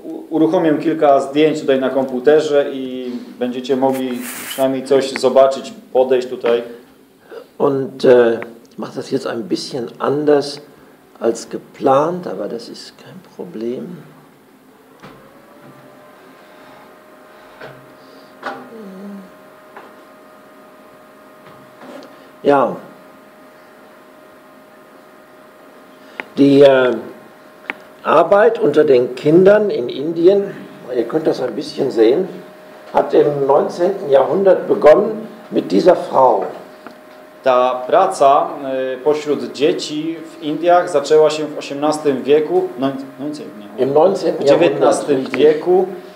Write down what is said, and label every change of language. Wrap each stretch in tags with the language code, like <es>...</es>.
<pl>Uruchomię kilka zdjęć tutaj na komputerze i będziecie mogli przynajmniej coś zobaczyć, podejść tutaj.</pl> <de>Und mach das jetzt ein bisschen anders als geplant, aber das ist kein Problem. Ja. Die Arbeit unter den Kindern in Indien, ihr könnt das ein bisschen sehen, hat im 19. Jahrhundert begonnen mit dieser Frau.</de> <pl>Ta praca pośród dzieci w Indiach zaczęła się w XVIII wieku, w XIX wieku.</pl>